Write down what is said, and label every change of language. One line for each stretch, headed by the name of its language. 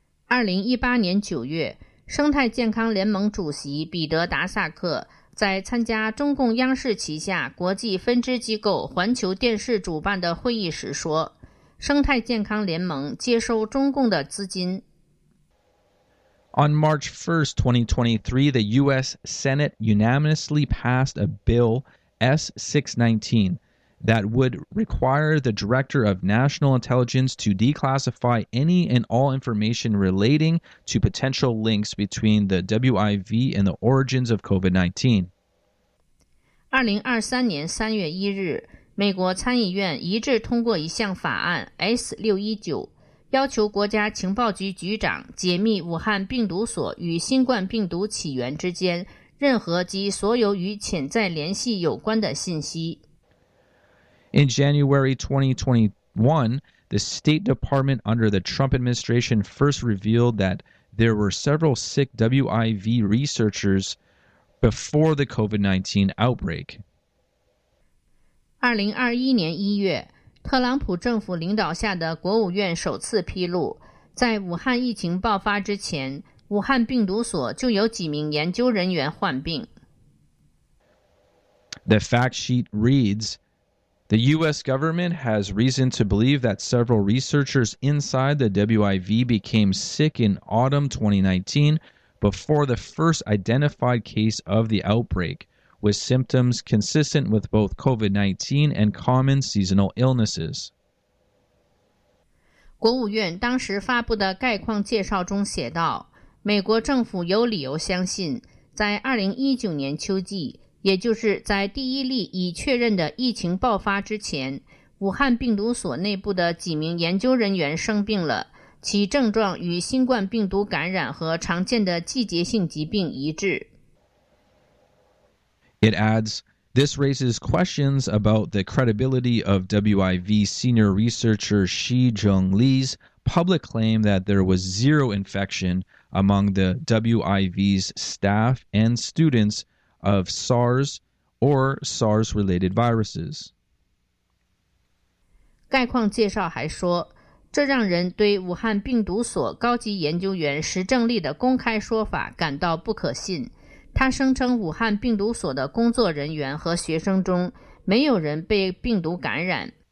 Chinese: 2018年9月，生态健康联盟主席彼得·达萨克在参加中共央视旗下国际分支机构环球电视主办的会议时说，生态健康联盟接收中共的资金。
English: On March 1, 2023, the U.S. Senate unanimously passed a bill, S-619, that would require the Director of National Intelligence to declassify any and all information relating to potential links between the WIV and the origins of COVID-19.
Chinese: 2023年3月1日，美国参议院一致通过一项法案 S-619,要求国家情报局局长解密武汉病毒所与新冠病毒起源之间任何及所有与潜在联系有关的信息。
English: In January 2021, the State Department under the Trump administration first revealed that there were several sick WIV researchers before the COVID-19 outbreak.
Chinese: 2021年1月，特朗普政府领导下的国务院首次披露，在武汉疫情爆发之前，武汉病毒所就有几名研究人员患病。
English: The fact sheet reads, "The U.S. government has reason to believe that several researchers inside the WIV became sick in autumn 2019 before the first identified case of the outbreak. With symptoms consistent with both COVID-19 and common seasonal illnesses."
Chinese: 国务院当时发布的概况介绍中写道，美国政府有理由相信，在2019年秋季，也就是在第一例已确认的疫情爆发之前，武汉病毒所内部的几名研究人员生病了，其症状与新冠病毒感染和常见的季节性疾病一致。
English: It adds, "This raises questions about the credibility of WIV senior researcher Shi Zhengli's public claim that there was zero infection among the WIV's staff and students of SARS or SARS-related viruses."
Chinese: 概况介绍还说，这让人对武汉病毒所高级研究员石正丽的公开说法感到不可信。他声称武汉病毒所的工作人员和学生中没有人被病毒感染。